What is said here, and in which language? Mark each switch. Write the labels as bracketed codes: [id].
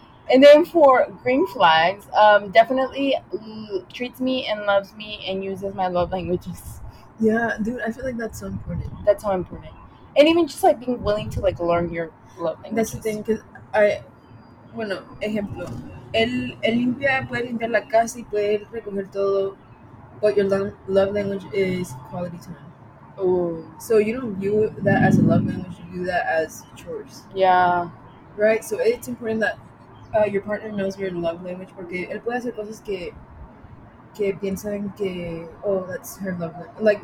[en] And then for green flags, definitely treats me and loves me and uses my love languages. Yeah, dude, I feel like that's so important. And even just, like, being willing to, like, learn your love languages. That's the thing, because I... [es] Bueno, ejemplo. Él limpia, puede limpiar la casa y puede recoger todo. [en] But your love language is quality time. Oh. So you don't view that as a love language, you view that as chores. Yeah. Right? So it's important that your partner knows your love language, [es] porque él puede hacer cosas que piensan que, [en] oh, that's her love language.